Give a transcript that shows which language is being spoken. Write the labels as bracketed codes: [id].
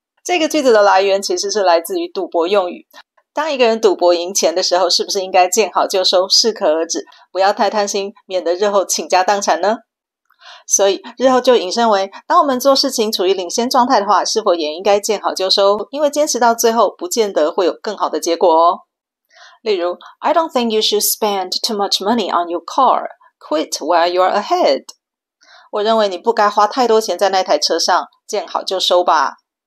[zh] 这个句子的来源其实是来自于赌博用语。当一个人赌博赢钱的时候，是不是应该见好就收、适可而止，不要太贪心，免得日后倾家荡产呢？所以日后就引申为，当我们做事情处于领先状态的话，是否也应该见好就收？因为坚持到最后，不见得会有更好的结果哦。 [en] 例如 ，I don't think you should spend too much money on your car. Quit while you're ahead. [zh] 我认为你不该花太多钱在那台车上，见好就收吧。